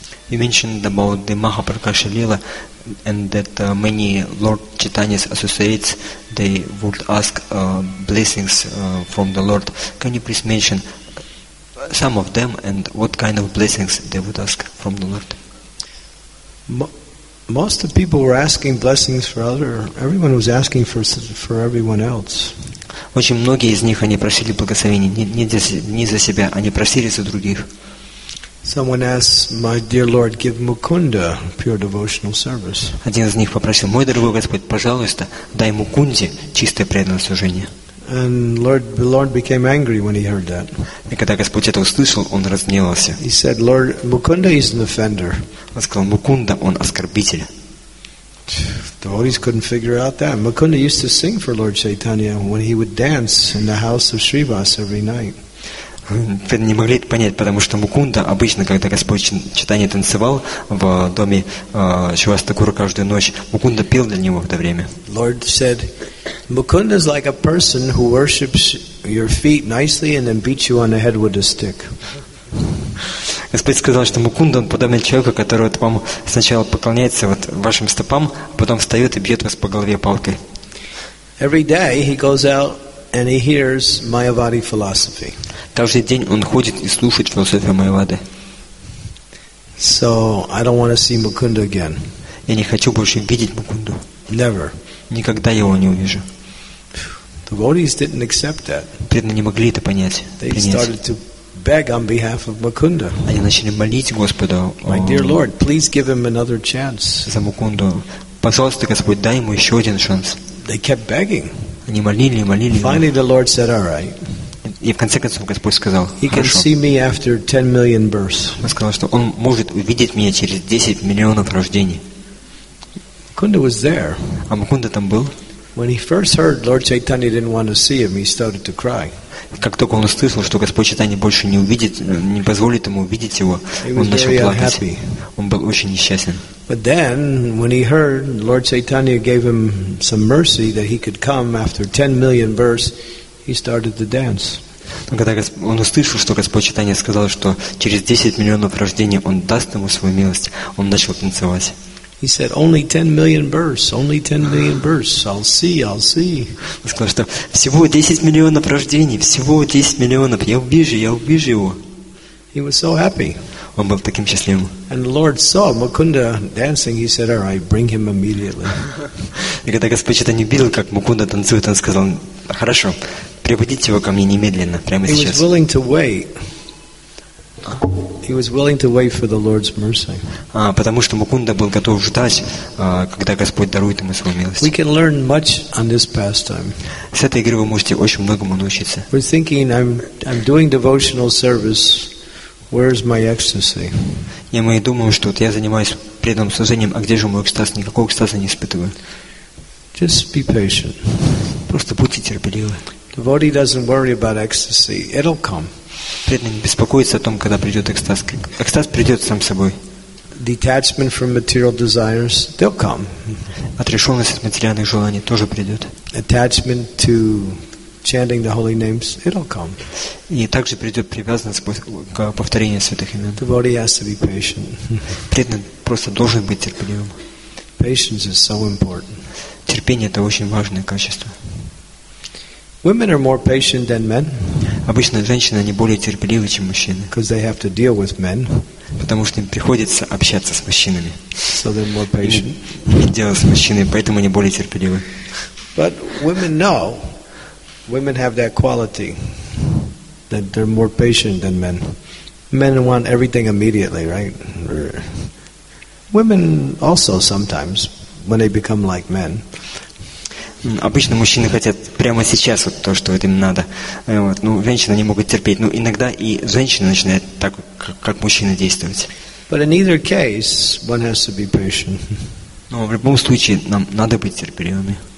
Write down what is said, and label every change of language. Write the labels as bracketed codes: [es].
[en] You mentioned about the Mahaprakasha Lila and that many Lord Chaitanya's associates, they would ask blessings from the Lord. Can you please mention some of them and what kind of blessings they would ask from the Lord? Most of the people were asking blessings for everyone was asking for everyone else. [ru] Очень многие из них, они просили благословения не за себя, они просили за других. [en] Someone asked, "My dear Lord, give Mukunda pure devotional service." [ru] Один из них попросил: "Мой дорогой Господь, пожалуйста, дай Мукунде чистое преданное служение." [en] And the Lord became angry when he heard that. [ru] И когда Господь это услышал, он разгневался. [en] He said, "Lord, Mukunda is an offender." [ru] Он сказал: "Мукунда, он оскорбитель." [en] Devotees couldn't figure out that. Mukunda used to sing for Lord Chaitanya when he would dance in the house of Srivas every night. [ru] Преданные не могли это понять, потому что Мукунда обычно, когда Господь Чайтанья танцевал в доме Шивастакура каждую ночь, Мукунда пел для него в это время. [en] Lord said, Mukunda is like a person who worships your feet nicely and then beats you on the head with a stick. [ru] Господь сказал, что Мукунда, он подобный человеку, который вот вам сначала поклоняется вот вашим стопам, а потом встает и бьет вас по голове палкой. [en] Every day he goes out and he hears Mayavadi philosophy. [ru] Каждый день он ходит и слушает философию Майявады. [en] So I don't want to see Mukunda again. [ru] Я не хочу больше видеть Мукунду. [en] Never. [ru] Никогда его не увижу. [en] The devotees didn't accept that. [ru] Преданные не могли это понять. [en] They started to beg on behalf of Mukunda. [ru] Они начали молить Господа. [en] My dear Lord, please give him another chance. [ru] За Мукунду. Пожалуйста, Господь, дай ему еще один шанс. [en] They kept begging. [ru] Они молили и молили. [en] Finally, the Lord said, "All right." [ru] И в конце концов Господь сказал: [en] "He can see me after 10 million births." [ru] Он сказал, что он может увидеть меня через 10 миллионов рождений. [en] Mukunda was there. [ru] А Мукунда там был. [en] When he first heard Lord Chaitanya didn't want to see him, he started to cry. [ru] Как только он услышал, что Господь Чайтанья больше не увидит, не позволит ему увидеть его, он начал плакать. Он был очень несчастен. [en] But then, when he heard Lord Chaitanya gave him some mercy that he could come after 10 million births, he started to dance. [ru] Когда он услышал, что Господь Чайтанья сказал, что через 10 миллионов рождений он даст ему свою милость, он начал танцевать. [en] He said, "Only 10 million births. Only 10 million births. I'll see. I'll see." [ru] Он сказал, что всего 10 миллионов рождений, всего 10 миллионов. Я увижу его. [en] He was so happy. [ru] Он был таким счастливым. [en] And the Lord saw Mukunda dancing. He said, "All right, bring him immediately." [ru] И когда Господь это не видел, как Мукунда танцует, он сказал: "Хорошо, приводите его ко мне немедленно, прямо сейчас." [en] He was willing to wait. He was willing to wait for the Lord's mercy. [ru] Потому что Мукунда был готов ждать, когда Господь дарует ему свою милость. [en] We can learn much on this pastime. [ru] С этой игры вы можете очень многому научиться. [en] We're thinking, I'm doing devotional service. Where's my ecstasy? [ru] Я мы думаем, что вот я занимаюсь преданным служением, а где же мой экстаз? Никакого экстаза не испытываю. [en] Just be patient. [ru] Просто будьте терпеливы. [en] Devotee doesn't worry about ecstasy. It'll come. [ru] Преданный не беспокоится о том, когда придет экстаз. Экстаз придет сам собой. [en] Detachment from material desires, they'll come. [ru] Отрешенность от материальных желаний тоже придет. [en] Attachment to chanting the holy names, it'll come. [ru] И также придет привязанность к повторению святых имен. [en] Devotee has to be patient. [ru] Преданный просто должен быть терпеливым. [en] Patience is so important. [ru] Терпение — это очень важное качество. [en] Women are more patient than men. [ru] Обычно женщины, они более терпеливы, чем мужчины. [en] Because they have to deal with men. [ru] Потому что им приходится общаться с мужчинами. [en] So they're more patient. [ru] И дело с мужчиной, поэтому они более терпеливы. [en] But women know, women have that quality, that they're more patient than men. Men want everything immediately, right? Women also sometimes, when they become like men. [ru] Обычно мужчины хотят прямо сейчас вот то, что вот им надо. Вот. Ну, женщины не могут терпеть. Ну, иногда и женщины начинают так, как мужчины, действовать. [en] But in either case, one has to be patient. [ru] Но в любом случае нам надо быть терпеливыми.